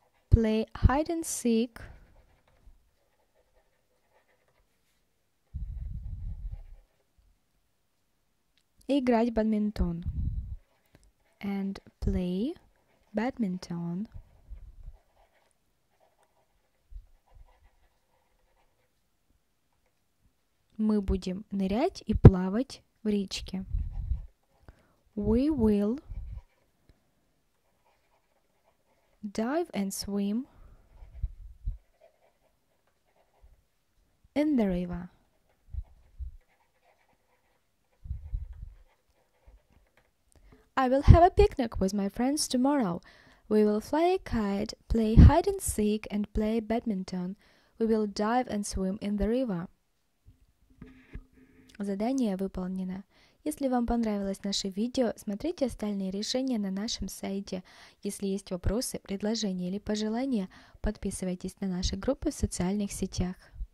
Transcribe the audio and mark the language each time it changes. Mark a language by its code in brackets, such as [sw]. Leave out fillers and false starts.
[en] Play hide and seek [ru] играть в бадминтон. [en] And play badminton. [ru] Мы будем нырять и плавать в речке. [en] We will dive and swim in the river. I will have a picnic with my friends tomorrow. We will fly a kite, play hide and seek, and play badminton. We will dive and swim in the river. [ru] Задание выполнено. Если вам понравилось наше видео, смотрите остальные решения на нашем сайте. Если есть вопросы, предложения или пожелания, подписывайтесь на наши группы в социальных сетях.